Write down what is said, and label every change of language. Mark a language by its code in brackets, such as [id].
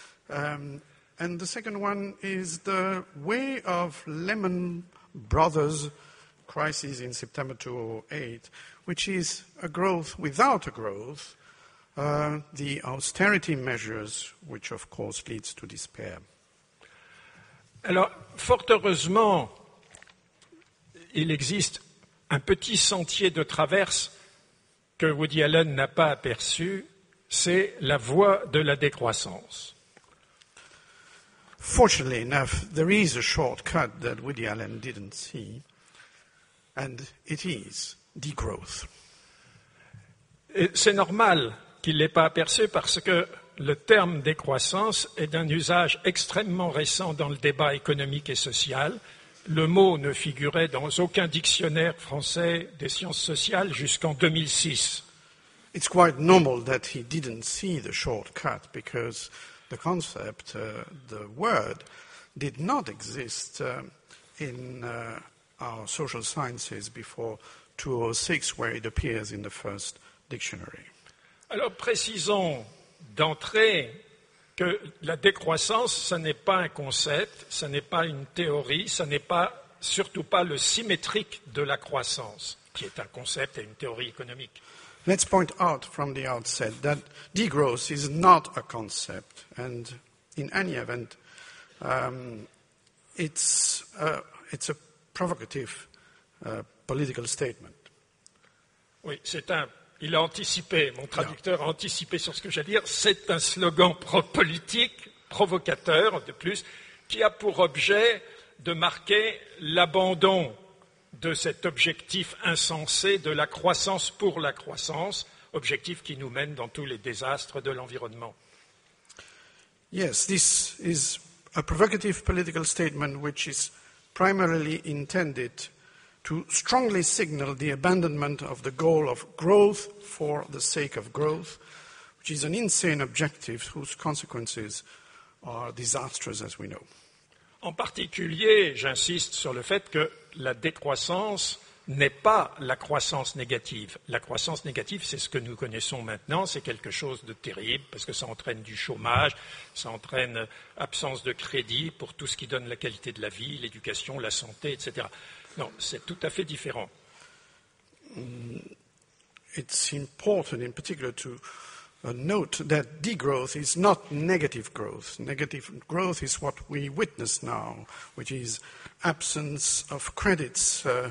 [en] And the second one is the way of Lehman Brothers crisis in September 2008, which is a growth without a growth, the austerity measures, which of course leads to despair. [fr] Alors, fort heureusement, il existe un petit sentier de traverse que Woody Allen n'a pas aperçu. C'est la voie de la décroissance. [en] Fortunately enough, there is a shortcut that Woody Allen didn't see, and it is degrowth. [fr] Et c'est normal qu'il ne l'ait pas aperçu, parce que le terme décroissance est d'un usage extrêmement récent dans le débat économique et social. Le mot ne figurait dans aucun dictionnaire français des sciences sociales jusqu'en 2006. [en] It's quite normal that he didn't see the shortcut because the concept, the word, did not exist in our social sciences before 2006, where it appears in the first dictionary. [fr] Alors précisons d'entrée que la décroissance, ça n'est pas un concept, ça n'est pas une théorie, ça n'est pas surtout pas le symétrique de la croissance, qui est un concept et une théorie économique. [en] Let's point out from the outset that degrowth is not a concept, and in any event, it's a provocative political statement. [fr] Oui, c'est un. Il a anticipé, mon traducteur a anticipé sur ce que j'allais dire. C'est un slogan politique provocateur, de plus, qui a pour objet de marquer l'abandon de cet objectif insensé de la croissance pour la croissance, objectif qui nous mène dans tous les désastres de l'environnement. [en] Yes, this is a provocative political statement which is primarily intended to strongly signal the abandonment of the goal of growth for the sake of growth, which is an insane objective whose consequences are disastrous as we know. [fr] En particulier, j'insiste sur le fait que la décroissance n'est pas la croissance négative. La croissance négative, c'est ce que nous connaissons maintenant, c'est quelque chose de terrible, parce que ça entraîne du chômage, ça entraîne absence de crédit pour tout ce qui donne la qualité de la vie, l'éducation, la santé, etc. Non, c'est tout à fait différent. [en] It's important in particular to note that degrowth is not negative growth. Negative growth is what we witness now, which is absence of credits.